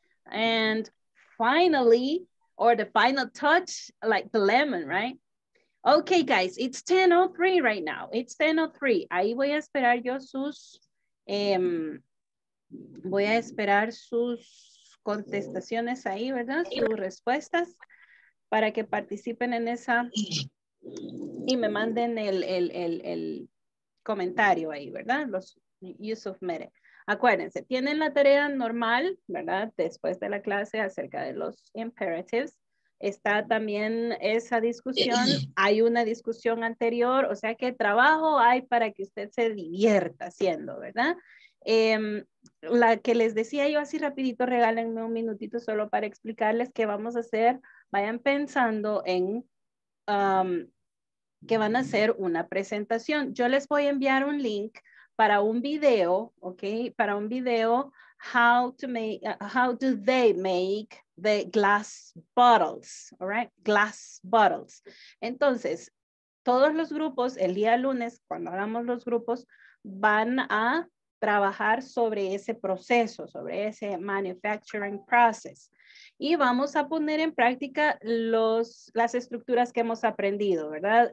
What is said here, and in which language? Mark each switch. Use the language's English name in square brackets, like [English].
[English] And finally, or the final touch, like the lemon, right? Okay, guys, it's 10:03 right now. It's 10:03. [Spanish] Ahí voy a esperar yo sus, voy a esperar sus contestaciones ahí, ¿verdad? Sus respuestas para que participen en esa y me manden el comentario ahí, ¿verdad? Los [English] you submitted. [Spanish] Acuérdense, tienen la tarea normal, ¿verdad? Después de la clase acerca de los imperatives. Está también esa discusión. Hay una discusión anterior, o sea que trabajo hay para que usted se divierta haciendo, ¿verdad? La que les decía yo así rapidito, regálenme un minutito solo para explicarles qué vamos a hacer. Vayan pensando en que van a hacer una presentación. Yo les voy a enviar un link para un video, ¿ok? Para un video, [English] how do they make the glass bottles, all right? Glass bottles. [Spanish] Entonces, todos los grupos, el día lunes, cuando hagamos los grupos, van a trabajar sobre ese proceso, sobre ese manufacturing process. Y vamos a poner en práctica las estructuras que hemos aprendido, ¿verdad?